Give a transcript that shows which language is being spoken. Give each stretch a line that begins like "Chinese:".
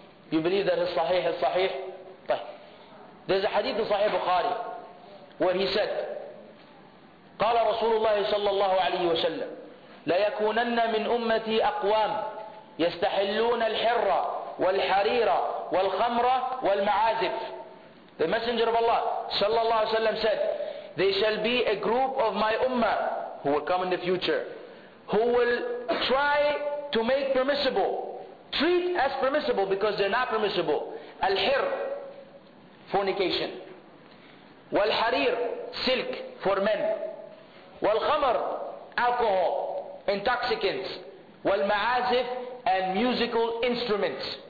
English: You believe that his sahih is sahih? There's a hadith in Sahih Bukhari where he said,
Arabic: قال رسول الله صلى الله عليه وسلم ليكونن من أمتي أقوام يستحلون الحرة والحريرة والخمرة والمعازف.
English: The Messenger of Allah
Arabic: صلى الله عليه وسلم
English: said, they shall be a group of my ummah who will come in the future, who will try to make permissible, treat as permissible, because they're not permissible, al-hir, fornication, wal-harir, silk for men, wal-khamr, alcohol, intoxicants, wal-ma'azif, and musical instruments.